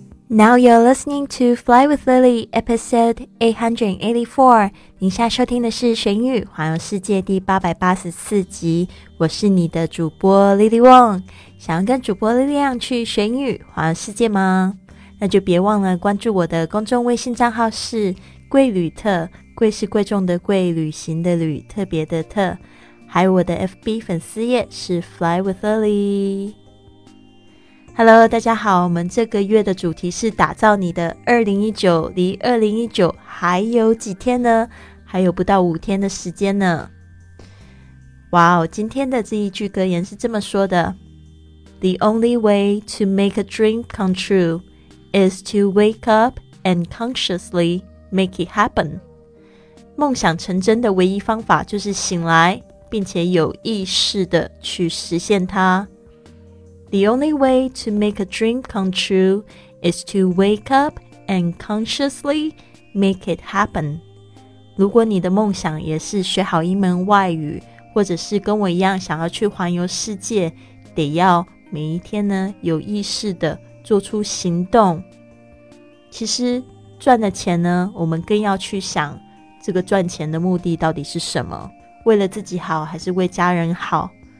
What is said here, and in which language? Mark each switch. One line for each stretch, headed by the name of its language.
English: Now you're listening to Fly with Lily, episode 884.
Chinese: 您现在收听的是《学英语环游世界》第884集。我是你的主播 Lily Wong。想要跟主播 Lily 样去学英语环游世界吗？那就别忘了关注我的公众微信账号是“贵旅特”，贵是贵重的贵，旅行的旅，特别的特。还有我的 FB 粉丝页是 Fly with Lily。 Hello， 大家好，我们这个月的主题是打造你的2019，离2019还有几天呢？还有不到五天的时间呢。哇哦，今天的这一句格言是这么说的
English: ：The only way to make a dream come true is to wake up and consciously make it happen。
Chinese: 梦想成真的唯一方法就是醒来，并且有意识的去实现它。
English: The only way to make a dream come true is to wake up and consciously make it happen.
Chinese: 如果你的梦想也是学好一门外语，或者是跟我一样想要去环游世界，得要每一天呢有意识的做出行动。其实赚的钱呢，我们更要去想这个赚钱的目的到底是什么，为了自己好还是为家人好。